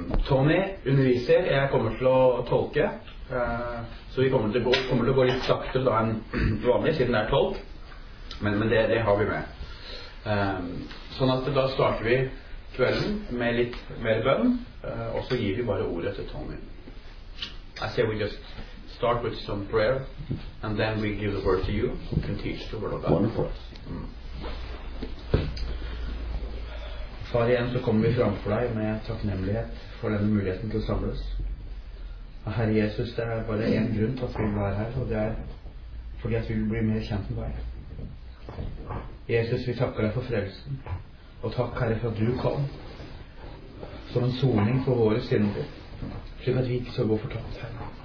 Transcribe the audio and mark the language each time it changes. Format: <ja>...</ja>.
<no>Tony underviser, jeg kommer til å tolke. Så vi kommer til å gå litt sakte da enn vanlig, siden det er tolk. Men det har vi med. Sånn at da starter vi kvelden med litt mer bønn, og så gir vi bare ordet til Tony.</no> <en>I say we just start with some prayer, and then we give the word to you, who can teach the word of God. Wonderful.</en> <no>Far, igjen så kommer vi framfor deg med takknemlighet for denne muligheten til å samles. Herre Jesus, det er bare en grunn til at vi vil være her, og det er fordi at vi vil bli mer kjent med deg. Jesus, vi takker deg for frelsen, og takk Herre for at du kom som en soning for våre synder, slik at vi ikke skal gå fortapt her.</no>